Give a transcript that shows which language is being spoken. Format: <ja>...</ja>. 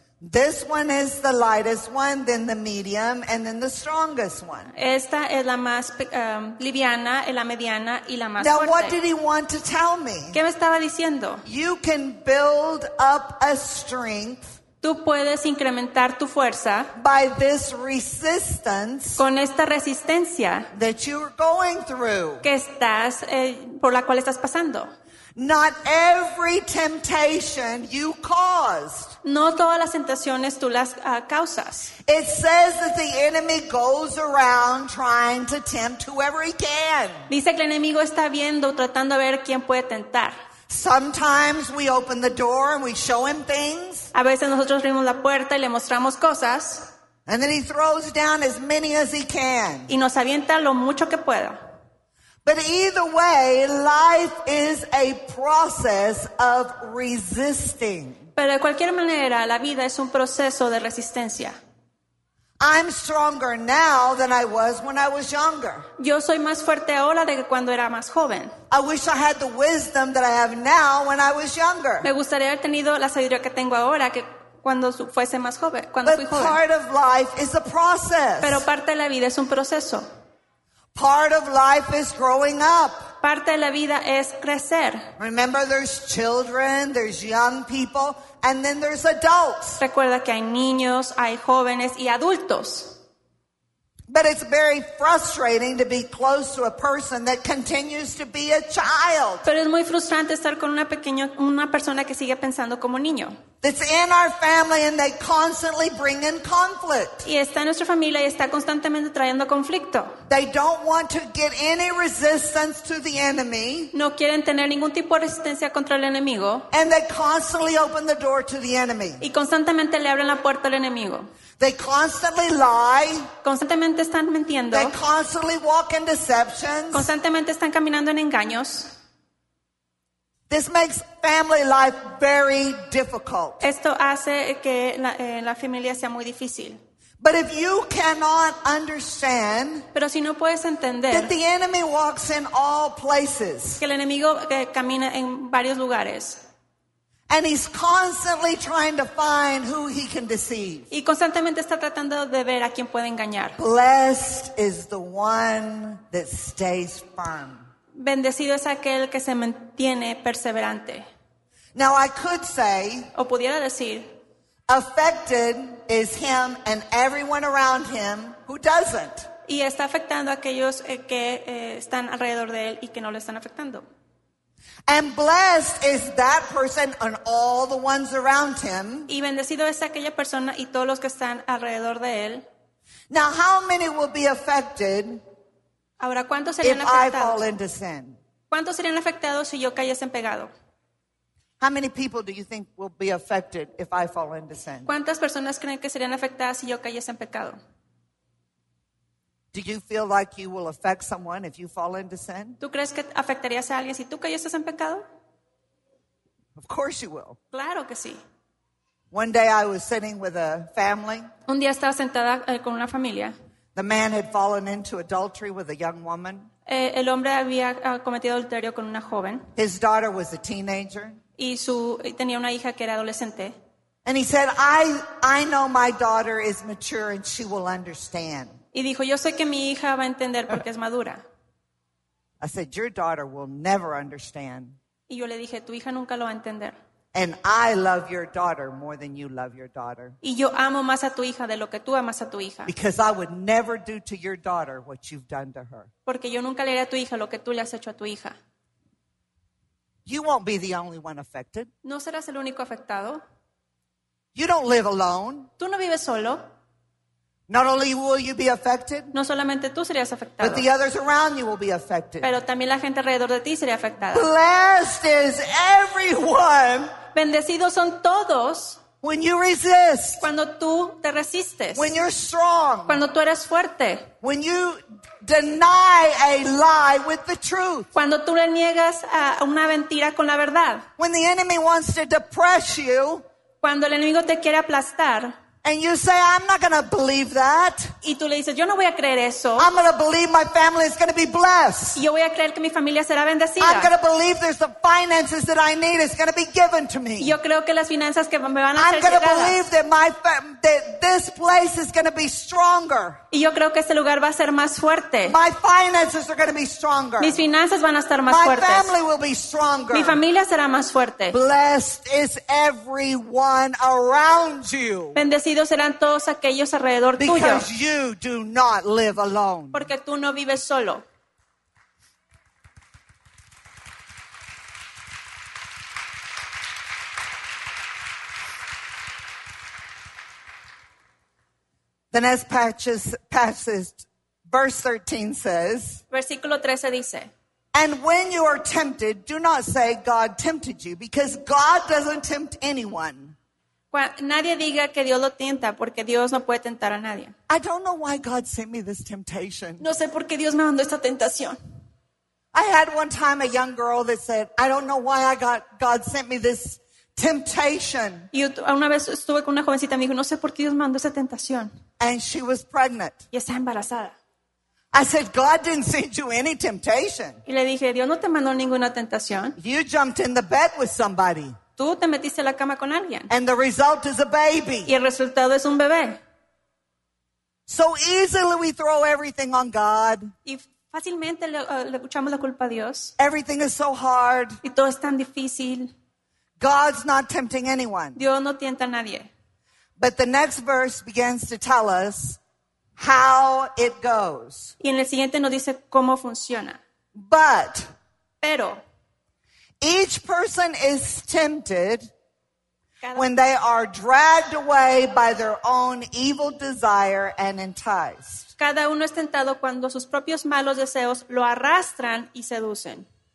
<en>This one is the lightest one, then the medium, and then the strongest one.</en> <es>Esta es la más liviana, la mediana y la más</es> <en>now,</en> <es>fuerte.</es> <en>Now, what did he want to tell me?</en> <es>¿Qué me estaba diciendo?</es> <en>You can build up a strength.</en> <es>Tú puedes incrementar tu fuerza</es> <en>by this resistance</en> <es>con esta resistencia</es> <en>that you're going through.</en> <es>Que estás por la cual estás pasando.</es> <en>Not every temptation you caused.</en> <es>No todas las tentaciones tú las causas.</es> <en>It says that the enemy goes around trying to tempt whoever he can.</en> <es>Dice que el enemigo está viendo, tratando a ver quién puede tentar.</es> <en>Sometimes we open the door and we show him things.</en> <es>A veces nosotros abrimos la puerta y le mostramos cosas.</es> <en>And then he throws down as many as he can.</en> <es>Y nos avienta lo mucho que pueda.</es> <en>But either way, life is a process of resisting.</en> <es>Pero de cualquier manera, la vida es un proceso de resistencia.</es> <en>I'm stronger now than I was when I was younger.</en> <es>Yo soy más fuerte ahora de que cuando era más joven.</es> <en>I wish I had the wisdom that I have now when I was younger.</en> <es>Me gustaría haber tenido la sabiduría que tengo ahora que cuando fuese más joven, cuando</es> <en>but</en> <es>fui joven.</es> <en>Part of life is a process.</en> <es>Pero parte de la vida es un proceso.</es> <en>Part of life is growing up.</en> <es>Parte de la vida es crecer.</es> <en>Remember, there's children, there's young people, and then there's adults.</en> <es>Recuerda que hay niños, hay jóvenes y adultos.</es> <en>But it's very frustrating to be close to a person that continues to be a child.</en> <es>Pero es muy frustrante estar con una persona que sigue pensando como niño.</es> <en>That's in our family and they constantly bring in conflict.</en> <es>Y está en nuestra familia y está constantemente trayendo conflicto.</es> <en>They don't want to get any resistance to the enemy.</en> <es>No quieren tener ningún tipo de resistencia contra el enemigo.</es> <en>And they constantly open the door to the enemy.</en> <es>Y constantemente le abren la puerta al enemigo.</es> <en>They constantly lie.</en> <es>Constantemente están mintiendo.</es> <en>They constantly walk in deceptions.</en> <es>Constantemente están caminando en engaños.</es> <en>This makes family life very difficult.</en> <es>Esto hace que la familia sea muy difícil.</es> <en>But if you cannot understand,</en> <es>pero si no puedes entender,</es> <en>that the enemy walks in all places,</en> <es>que el enemigo camina en varios lugares,</es> <en>and he's constantly trying to find who he can deceive,</en> <es>y constantemente está tratando de ver a quién puede engañar.</es> <en>Blessed is the one that stays firm.</en> <es>Bendecido es aquel que se mantiene perseverante.</es> <en>Now I could say,</en> <es>o pudiera decir,</es> <en>affected is him and everyone around him who doesn't.</en> <es>Y está afectando a aquellos que están alrededor de él y que no lo están afectando.</es> <en>And blessed is that person and all the ones around him.</en> <es>Y bendecido es aquella persona y todos los que están alrededor de él.</es> <en>Now how many will be affected?</en> <es>Ahora, ¿cuántos serían afectados?</es> <en>If I fall into sin.</en> <es>¿Cuántos serían afectados si yo cayese en pecado?</es> <en>How many people do you think will be affected if I fall into sin?</en> <es>¿Cuántas personas creen que serían afectadas si yo cayese en pecado?</es> <en>Do you feel like you will affect someone if you fall into sin?</en> <es>¿Tú crees que afectarías a alguien si tú cayeses en pecado?</es> <en>Of course you will.</en> <es>Claro que sí.</es> <en>One day I was sitting with a family.</en> <es>Un día estaba sentada con una familia.</es> <en>The man had fallen into adultery with a young woman.</en> <es>El hombre había cometido adulterio con una joven.</es> <en>His daughter was a teenager.</en> <es>Y tenía una hija que era adolescente.</es> <en>And he said, I know my daughter is mature and she will understand.</en> <es>Y dijo, yo sé que mi hija va a entender porque es madura.</es> <en>I said, your daughter will never understand.</en> <es>Y yo le dije, tu hija nunca lo va a entender.</es> <en>And I love your daughter more than you love your daughter.</en> <es>Y yo amo más a tu hija de lo que tú amas a tu hija.</es> <en>Because I would never do to your daughter what you've done to her.</en> <es>Porque yo nunca le haré a tu hija lo que tú le has hecho a tu hija.</es> <en>You won't be the only one affected.</en> <es>No serás el único afectado.</es> <en>You don't live alone.</en> <es>Tú no vives solo.</es> <en>Not only will you be affected.</en> <es>No solamente tú serías afectado.</es> <en>But the others around you will be affected.</en> <es>Pero también la gente alrededor de ti sería afectada.</es> <en>Blessed is everyone.</en> <es>Bendecidos son todos</es> <en>When you resist.</en> <es>Cuando tú te resistes.</es> <en>When you're strong.</en> <es>Cuando tú eres fuerte.</es> <en>When you deny a lie with the truth.</en> <es>Cuando tú le niegas a una mentira con la verdad.</es> <en>When the enemy wants to depress you.</en> <es>Cuando el enemigo te quiere aplastar.</es> <en>And you say, I'm not going to believe that.</en> <es>Y tú le dices, yo no voy a creer eso.</es> <en>I'm going to believe my family is going to be blessed.</en> <es>Yo voy a creer que mi familia será bendecida.</es> <en>I'm going to believe there's the finances that I need is going to be given to me.</en> <es>Yo creo que las finanzas que me van a ser llegadas.</es> <en>I'm going to believe that my that this place is going to be stronger.</en> <es>Y yo creo que este lugar va a ser más fuerte.</es> <en>My finances are going to be stronger.</en> <es>Mis finanzas van a estar más</es> <en>my</en> <es>fuertes.</es> <en>My family will be stronger.</en> <es>Mi familia será más fuerte.</es> <en>Blessed is everyone around you.</en> <es>Bendecidos serán todos aquellos alrededor</es> <en>because</en> <es>tuyo.</es> <en>Because you do not live alone.</en> <es>Porque tú no vives solo.</es> <en>The next passage, verse 13 says,</en> <es>versículo 13 dice,</es> <en>and when you are tempted, do not say God tempted you, because God doesn't tempt anyone.</en> <es>Nadie diga que Dios lo tienta, porque Dios no puede tentar a nadie.</es> <en>I don't know why God sent me this temptation.</en> <es>No sé por qué Dios me mandó esta tentación.</es> <en>I had one time a young girl that said, I don't know why God sent me this temptation.</en> <es>Y una vez estuve con una jovencita y me dijo, no sé por qué Dios mandó esa tentación.</es> <en>And she was pregnant.</en> <es>Y estaba embarazada.</es> <en>I said, God didn't send you any temptation.</en> <es>Y le dije, Dios no te mandó ninguna tentación.</es> <en>You jumped in the bed with somebody.</en> <es>Tú te metiste a la cama con alguien.</es> <en>And the result is a baby.</en> <es>Y el resultado es un bebé.</es> <en>So easily we throw everything on God.</en> <es>Y fácilmente le echamos la culpa a Dios.</es> <en>Everything is so hard.</en> <es>Y todo es tan difícil.</es> <en>God's not tempting anyone.</en> <es>Dios no tienta a nadie.</es> <en>But the next verse begins to tell us how it goes.</en> <es>Y en el siguiente nos dice cómo funciona.</es> <en>But.</en> <es>Pero.</es> <en>Each person is tempted when they are dragged away by their own evil desire and enticed.</en> <es>Cada uno es tentado cuando sus propios malos deseos lo arrastran y seducen.</es>